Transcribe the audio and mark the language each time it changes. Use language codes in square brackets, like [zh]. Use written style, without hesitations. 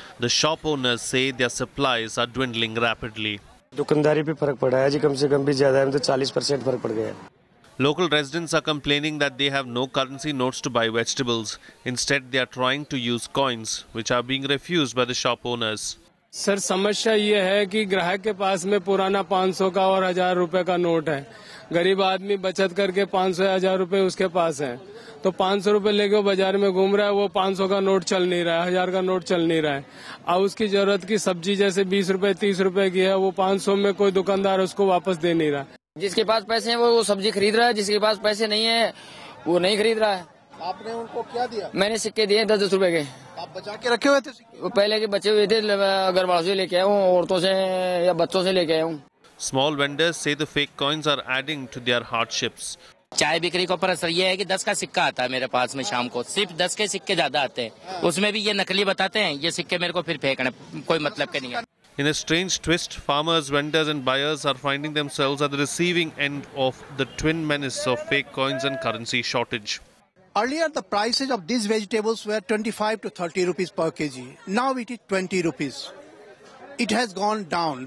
[en] The shop owners say their supplies are dwindling rapidly. Local residents are complaining that they have no currency notes to buy vegetables. Instead, they are trying to use coins, which are being refused by the shop owners. [hi] Sir, समस्या ये है कि ग्राहक के पास में पुराना 500 का और 1,000 रुपए का नोट है। गरीब आदमी बचत करके 500-1,000 रुपए उसके पास है, तो 500 रुपए लेके बाजार में घूम रहा है, वो 500 का नोट चल नहीं रहा है, 1,000 का नोट चल नहीं रहा है। अब उसकी जरूरत की सब्जी जैसे 20-30 रुपए की है, वो 500 में कोई दुकानदार उसको वापस दे नहीं रहा। जिसके पास पैसे है वो सब्जी खरीद रहा है, जिसके पास पैसे नहीं है वो नहीं खरीद रहा है। आपने उनको क्या दिया? मैंने सिक्के दिए 10-10 रुपए के। आप बचा के रखे हुए थे? वो पहले के बचे हुए थे, घर वालों से लेके आया हूँ, औरतों से या बच्चों से लेके आया हूँ। [en] Small vendors से the fake coins are adding to their hardships. [hi] चाय बिक्री को पर असर ये है कि 10 का सिक्का आता है मेरे पास में शाम को, सिर्फ 10 के सिक्के ज्यादा आते हैं, उसमें भी ये नकली बताते हैं, ये सिक्के मेरे को फिर फेंकने कोई मतलब के नहीं है। [en] In a strange twist, farmers, vendors and buyers are finding themselves at the receiving end of the twin menace of fake coins and currency shortage. Earlier, the prices of these vegetables were 25 to 30 rupees per kg. Now it is 20 rupees. It has gone down.